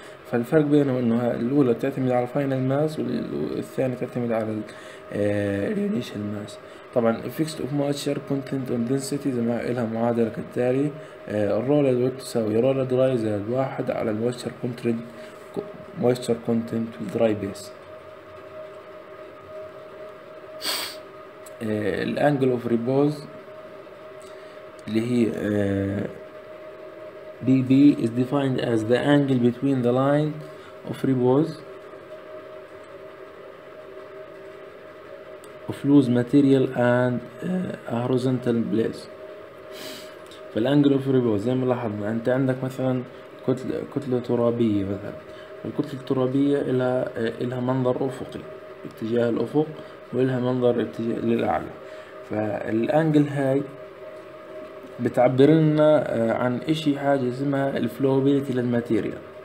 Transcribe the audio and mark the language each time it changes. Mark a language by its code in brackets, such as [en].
[ar] فالفرق بينهم انه الاولى تعتمد على الفاينل ماس والثانيه تعتمد على الانيشال ماس. طبعا [en] effect of moisture content on density [ar] زي ما لها معادله كالتالي: الرول الويت تساوي رول دراي زائد واحد على المويستشر كونتنت مويستشر كونتنت دراي بيس. [en] الانجل of repose [ar] اللي هي [en] دي بي is defined as the angle between the line of repose of loose material and a horizontal place. [ar] في الانجل اوف ريبوز زي ما لاحظنا انت عندك مثلا كتلة ترابية، مثلا الكتلة الترابية لها منظر افقي اتجاه الافق ولها منظر اتجاه للاعلى. فالانجل هاي بتعبر لنا عن اشي حاجة اسمها الفلوبيليتي للماتيريال.